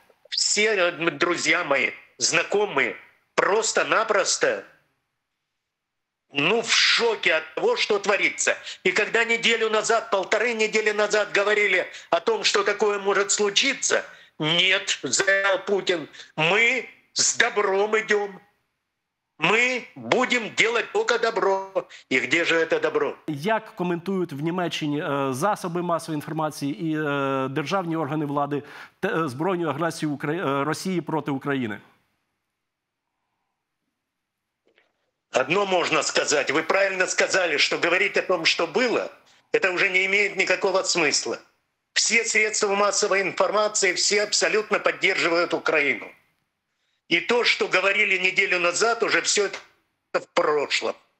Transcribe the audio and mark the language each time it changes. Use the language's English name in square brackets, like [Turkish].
[Ukrainian] Всі мої друзі, знайомі, просто-напросто в шокі від того, що твориться. І коли неділю назад, півтори неділі назад говорили [Russian] о том, [Ukrainian] що таке може случиться, ні, заявив Путін, [Russian] ми с добром идем. Мы будем делать только добро. И где же это добро? Как комментируют в [Ukrainian] Німеччині засоби [Russian] массовой информации и [Ukrainian] державні органи влади збройну агресію Росії проти України? [Russian] Одно можно сказать. Вы правильно сказали, что говорить о том, что было, это уже не имеет никакого смысла. Все средства массовой информации, все абсолютно поддерживают Украину. И то, что говорили неделю назад, уже все это в прошлом.